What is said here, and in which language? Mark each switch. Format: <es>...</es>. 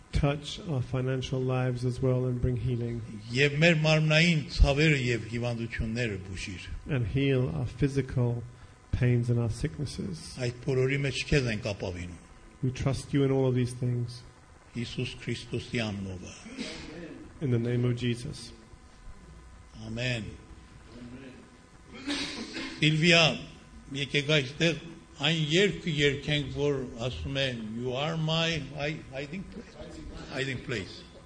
<en>Touch our financial lives as well and bring healing.</en> <hy>Եվ մեր մարմնային ցավերը և հիվանդությունները բուժիր.</hy> <en>And heal our physical pains and our sicknesses.</en> <hy>Այդ բոլորի մեջ քեզ ենք ապավինում.</hy> <en>We trust you in all of these things.</en> <hy>Իսուս Քրիստոսի անունով։</hy> <en>In the name of Jesus. Amen.</en> <hy>Սիլվիա, եկեք այստեղ այն երգը երգենք, որ ասում է</hy> <en>you are my hiding place.</en>